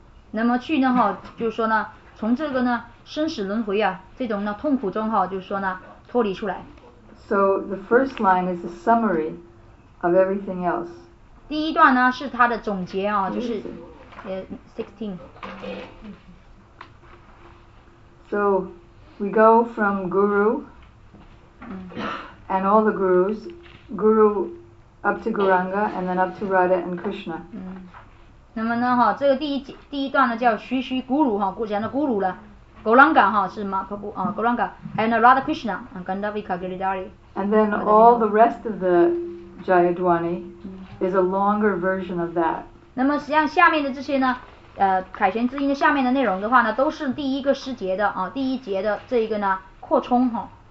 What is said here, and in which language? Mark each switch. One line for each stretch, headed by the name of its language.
Chinese: 那么去呢哈，就是说呢，从这个呢生死轮回啊这种呢痛苦中哈，就是说呢脱离出来。
English: So the first line is a summary of everything else.
Chinese: 第一段呢是它的总结啊，就是16.
English: So we go from Guru and all the gurus, Guru. Up to Gauranga and then up to Radha and Krishna.
Chinese: 那么呢哈，这个第一段呢叫徐徐咕噜哈，讲的咕噜了 ，Gauranga 哈是嘛，他不啊
English: Gauranga and Radha Krishna and Gandharvika Giridhari. And then all the rest of the Jayadwani is a longer version of that.
Chinese: 那么实际上下面的这些呢，凯旋之音的下面的内容的话呢，都是第一个诗节的啊，第一节的这一个呢扩充哈。